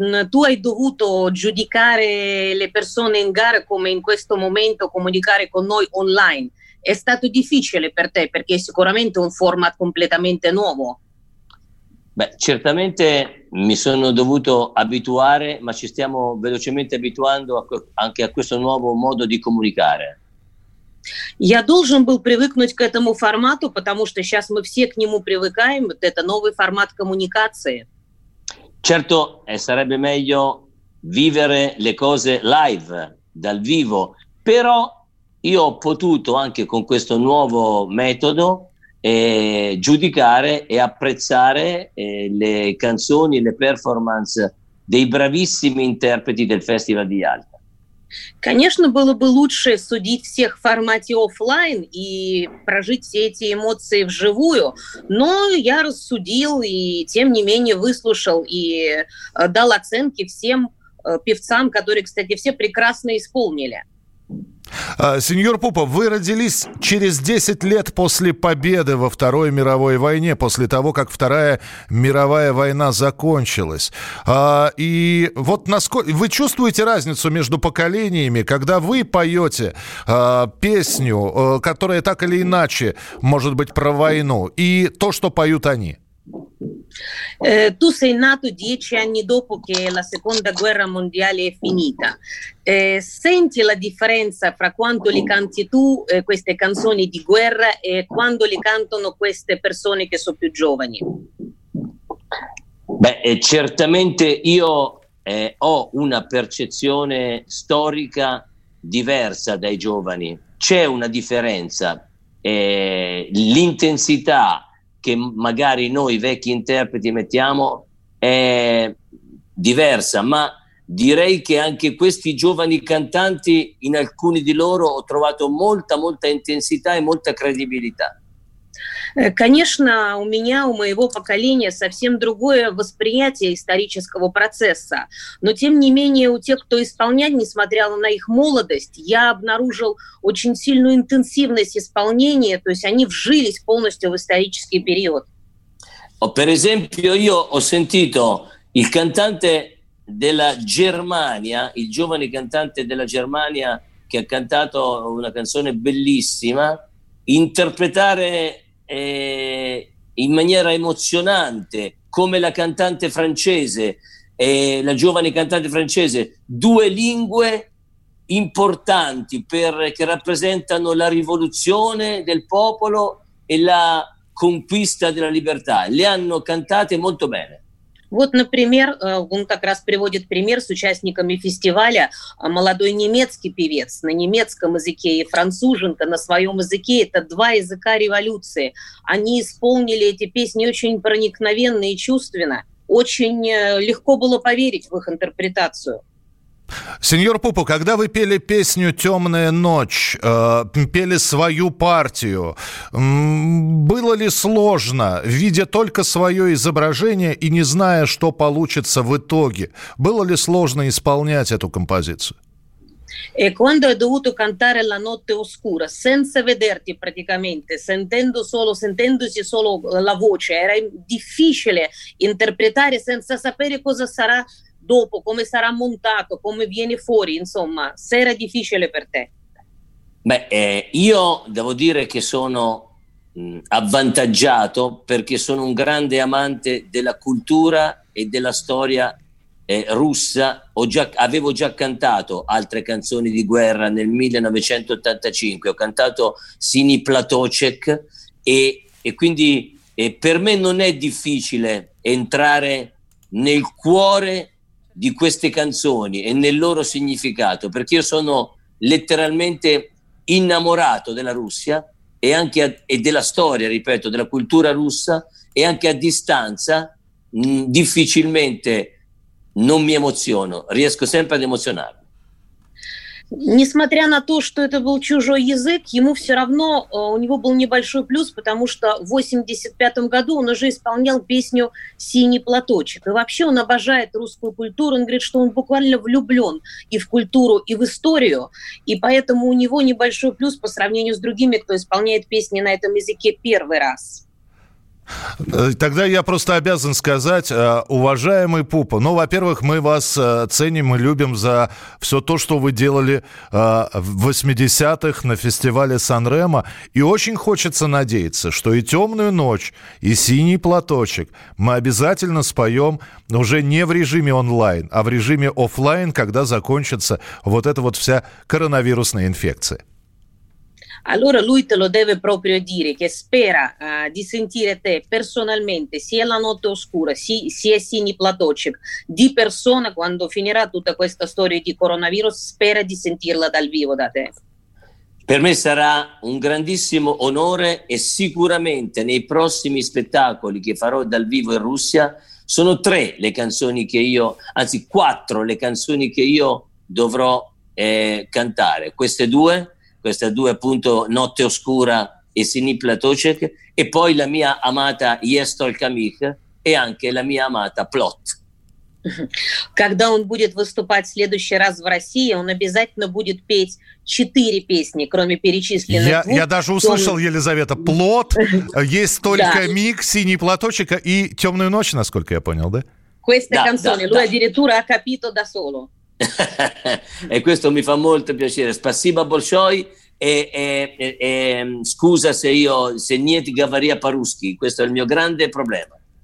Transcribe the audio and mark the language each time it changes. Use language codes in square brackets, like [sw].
[it] Tu hai dovuto giudicare le persone in gara come in questo momento comunicare con noi online. È stato difficile per te, perché è sicuramente un format completamente nuovo. Beh, certamente mi sono dovuto abituare, ma ci stiamo velocemente abituando anche a questo nuovo modo di comunicare. [ru] Я должен был привыкнуть к этому формату, потому что сейчас мы все к нему привыкаем, вот это новый формат коммуникации. [it] Certo, sarebbe meglio vivere le cose live, dal vivo, però io ho potuto anche con questo nuovo metodo e giudicare e apprezzare le canzoni, le performance dei bravissimi interpreti del Festival di Ялта. [ru] Конечно, было бы лучше судить всех в формате офлайн и прожить все эти эмоции вживую, но я рассудил и тем не менее выслушал и дал оценки всем певцам, которые, кстати, все прекрасно исполнили. Сеньор Пупо, вы родились через 10 лет после победы во Второй мировой войне, после того, как Вторая мировая война закончилась. И вот насколько вы чувствуете разницу между поколениями, когда вы поете песню, которая так или иначе может быть про войну, и то, что поют они? [it] Tu sei nato 10 anni dopo che la seconda guerra mondiale è finita. Senti la differenza fra quando li canti tu queste canzoni di guerra e quando li cantano queste persone che sono più giovani? Beh, certamente io ho una percezione storica diversa dai giovani. C'è una differenza. L'intensità che magari noi vecchi interpreti mettiamo è diversa, ma direi che anche questi giovani cantanti, in alcuni di loro ho trovato molta intensità e molta credibilità. [ru] Конечно, у меня, у моего поколения совсем другое восприятие исторического процесса. Но, тем не менее, у тех, кто исполняет, несмотря на их молодость, я обнаружил очень сильную интенсивность исполнения, то есть они вжились полностью в исторический период. [it] Per esempio, io ho sentito il cantante della Germania, il giovane cantante della Germania che ha cantato una canzone bellissima, interpretare in maniera emozionante, come la cantante francese, la giovane cantante francese, due lingue importanti che rappresentano la rivoluzione del popolo e la conquista della libertà. Le hanno cantate molto bene. [ru] Вот, например, он как раз приводит пример с участниками фестиваля. Молодой немецкий певец на немецком языке и француженка на своем языке. Это два языка революции. Они исполнили эти песни очень проникновенно и чувственно. Очень легко было поверить в их интерпретацию. Сеньор Пупо, когда вы пели песню «Темная ночь», пели свою партию, было ли сложно, видя только свое изображение и не зная, что получится в итоге, было ли сложно исполнять эту композицию? [it] E quando ho dovuto cantare la notte oscura, senza vederti praticamente, sentendosi solo la voce, era difficile interpretare senza sapere cosa sarà dopo, come sarà montato, come viene fuori, insomma, se era difficile per te. Io devo dire che sono avvantaggiato perché sono un grande amante della cultura e della storia russa. Avevo già cantato altre canzoni di guerra nel 1985, ho cantato Sini Platocek e quindi per me non è difficile entrare nel cuore di queste canzoni e nel loro significato, perché io sono letteralmente innamorato della Russia e anche e della storia, ripeto, della cultura russa, e anche a distanza difficilmente non mi emoziono, riesco sempre ad emozionarmi. [ru] Несмотря на то, что это был чужой язык, ему все равно, у него был небольшой плюс, потому что в 85-м году он уже исполнял песню «Синий платочек». И вообще он обожает русскую культуру, он говорит, что он буквально влюблен и в культуру, и в историю, и поэтому у него небольшой плюс по сравнению с другими, кто исполняет песни на этом языке первый раз. Тогда я просто обязан сказать, уважаемый Пупо, ну, во-первых, мы вас ценим и любим за все то, что вы делали в 80-х на фестивале Сан-Ремо. И очень хочется надеяться, что и «Темную ночь», и «Синий платочек» мы обязательно споем уже не в режиме онлайн, а в режиме офлайн, когда закончится вот эта вот вся коронавирусная инфекция. [it] Allora lui te lo deve proprio dire, che spera di sentire te personalmente, sia la notte oscura, sia Sini Platocek, di persona, quando finirà tutta questa storia di coronavirus, spera di sentirla dal vivo da te. Per me sarà un grandissimo onore e sicuramente nei prossimi spettacoli che farò dal vivo in Russia, sono tre le canzoni che io, anzi quattro le canzoni che io dovrò cantare, queste due appunto Notte Oscura e Sini Platocek e poi la mia amata Yestol Kamikh e anche la mia amata Plot. [ru] Когда он будет выступать в следующий раз в России, он обязательно будет петь четыре песни, кроме перечисленных двух. Я даже услышал, Елизавета, Плот, есть только Миг, Синий Платочек и Темную ночь, насколько я понял, да? [it] Queste canzoni, lui addirittura ha capito da solo. E questo mi fa molto piacere. [ru] Спасибо большое. [it] E scusa se niente [ru] говоря по-русски. [it] Questo è il mio grande problema.